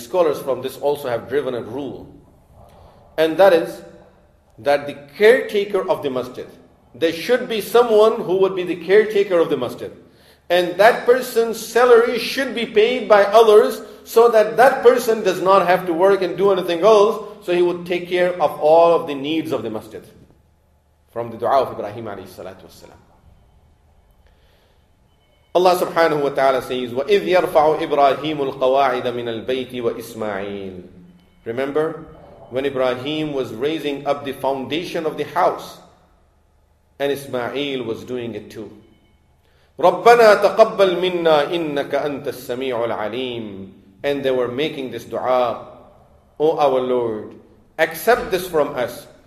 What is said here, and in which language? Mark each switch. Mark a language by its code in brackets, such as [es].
[en] Scholars from this also have driven a rule. And that is, that the caretaker of the masjid, there should be someone who would be the caretaker of the masjid. And that person's salary should be paid by others, so that that person does not have to work and do anything else, so he would take care of all of the needs of the masjid. From the dua of Ibrahim alayhi salatu wasalam. Allah subhanahu wa ta'ala says, [ar] وَإِذْ يَرْفَعُ إِبْرَاهِيمُ الْقَوَاعِدَ مِنَ الْبَيْتِ وَإِسْمَعِيلِ. [en] Remember, when Ibrahim was raising up the foundation of the house, and Ismail was doing it too. [ar] رَبَّنَا تَقَبَّلْ مِنَّا إِنَّكَ أَنْتَ السَّمِيعُ الْعَلِيمُ. [en] And they were making this dua, O our Lord, accept this from us.